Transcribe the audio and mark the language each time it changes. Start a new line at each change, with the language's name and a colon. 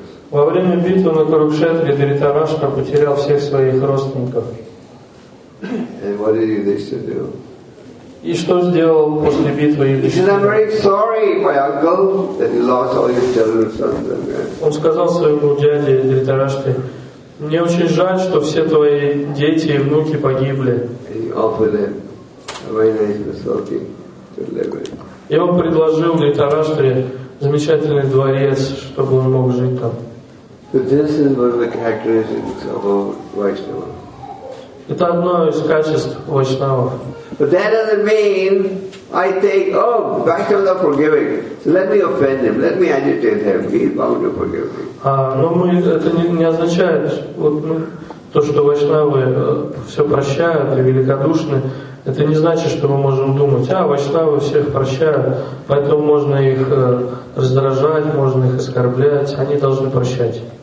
Russian: Во время битвы на Курукшетре Дхритараштра потерял всех своих родственников.
English: And what did Yudhishthira do?
Russian: И что сделал после битвы Юдиштхира?
English: He said, I'm very sorry, my uncle, that you lost all your children.
Russian: Он сказал своему дяде Дхритараштре, мне очень жаль, что все твои дети и внуки погибли.
English: And he offered him a very nice facility to live in.
Russian: И он предложил Дхритараштре замечательный дворец, чтобы он мог жить там.
English: This is one of the characteristics of a Vaishnava.
Russian: Это одно из качеств Вайшнавов.
English: But that doesn't mean I think, oh, Vaishnava is forgiving. So let me offend him, let me agitate him. He's bound to forgive me.
Russian: Это не означает, вот, ну, то, что Вайшнавы все прощают и великодушны. Это не значит, что мы можем думать, а, Вайшнавы всех прощают, поэтому можно их раздражать, можно их оскорблять, они должны прощать.